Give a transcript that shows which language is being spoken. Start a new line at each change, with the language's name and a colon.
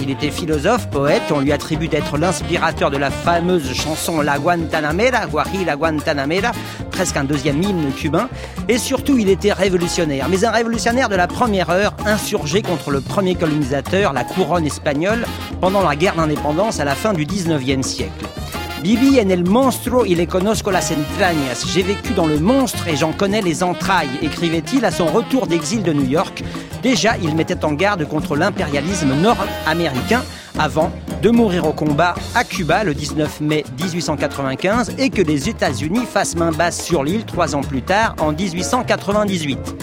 French: Il était philosophe, poète. On lui attribue d'être l'inspirateur de la fameuse chanson La Guantanamera, Guajira Guantanamera, presque un deuxième hymne cubain. Et surtout, il était révolutionnaire. Mais un révolutionnaire de la première heure, insurgé contre le premier colonisateur, la couronne espagnole, pendant la guerre d'indépendance à la fin du 19e siècle.
Spanish: Bibi en el monstruo y le conozco las entrañas.
French: J'ai vécu dans le monstre et j'en connais les entrailles, écrivait-il à son retour d'exil de New York. Déjà, il mettait en garde contre l'impérialisme nord-américain avant de mourir au combat à Cuba le 19 mai 1895 et que les États-Unis fassent main basse sur l'île 3 ans plus tard en 1898.